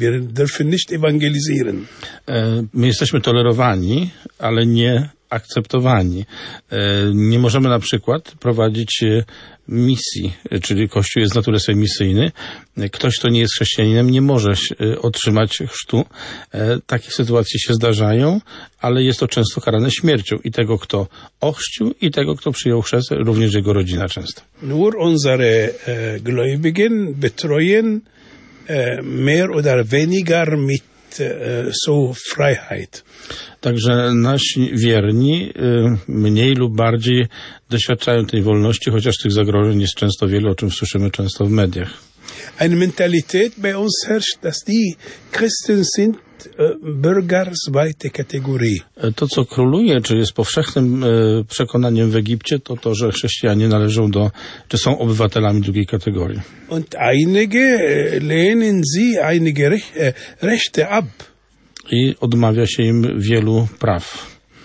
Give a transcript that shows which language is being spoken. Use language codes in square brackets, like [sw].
[de] Wir dürfen nicht evangelisieren. [pl] My jesteśmy tolerowani, ale nie akceptowani. Nie możemy na przykład prowadzić misji, czyli Kościół jest z natury swej misyjny. Ktoś, kto nie jest chrześcijaninem, nie może otrzymać chrztu. Takie sytuacje się zdarzają, ale jest to często karane śmiercią i tego, kto ochrzcił, i tego, kto przyjął chrzest, również jego rodzina często. [de] Nur unsere Gläubigen betreuen mehr oder weniger mit so Freiheit. [pl] Także nasi wierni mniej lub bardziej doświadczają tej wolności, chociaż tych zagrożeń jest często wiele, o czym słyszymy często w mediach. [de] Eine Mentalität bei uns herrscht, dass die Christen sind Bürger zweite Kategorie. [pl] To, co króluje, czy jest powszechnym przekonaniem w Egipcie, to to, że chrześcijanie należą do, czy są obywatelami drugiej kategorii. [de] Und einige lehnen sie einige Rechte ab. [pl] I odmawia się im wielu praw.